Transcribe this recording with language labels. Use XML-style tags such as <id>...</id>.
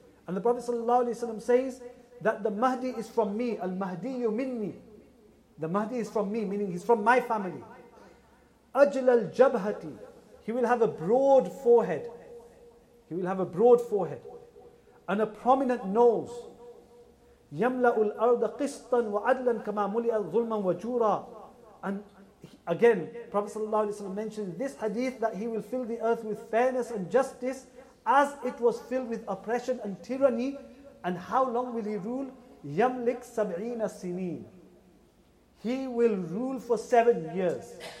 <en>And the Prophet sallallahu alaihi wasallam says that the Mahdi is from me,</en> <ar>al-Mahdiyu minni.</ar> <en>The Mahdi is from me, meaning he's from my family.</en> <ar>Ajlal jabhati.</ar> <en>He will have a broad forehead. He will have a broad forehead. And a prominent nose.</en> <ar>يَمْلَأُ الْأَرْضَ قِسْطًا وَعَدْلًا كَمَا مُلِئَ الظُّلْمًا وَجُورًا.</ar> <en>And again, Prophet sallallahu alaihi wasallam mentioned this hadith that he will fill the earth with fairness and justice as it was filled with oppression and tyranny. And how long will he rule?</en> <ar>يَمْلِكْ سَبْعِينَ سِنِينَ.</ar> <en>He will rule for 7 years.</en>